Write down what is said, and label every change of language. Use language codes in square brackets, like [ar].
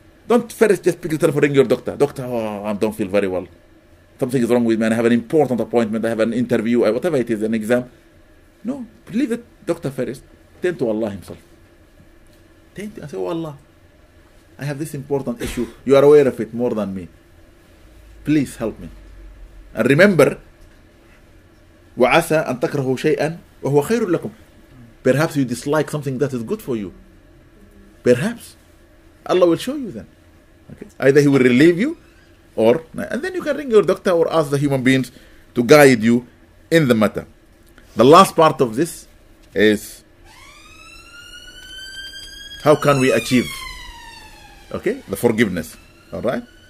[en] Don't first just pick the telephone, ring your doctor. Doctor, oh, I don't feel very well. Something is wrong with me, and I have an important appointment, I have an interview, whatever it is, an exam. No, leave it, Dr. Ferris, turn to Allah Himself. Turn to, and say, oh Allah, I have this important issue, you are aware of it more than me. Please help me. And remember, [ar] وَعَسَىٰ أَن تَكْرَهُ شَيْئًا وَهُوَ خَيْرٌ لَكُمْ. [en] Perhaps you dislike something that is good for you. Perhaps. Allah will show you then. Okay. Either he will relieve you, or, and then you can ring your doctor or ask the human beings to guide you in the matter. The last part of this is, how can we achieve, okay, the forgiveness, all right?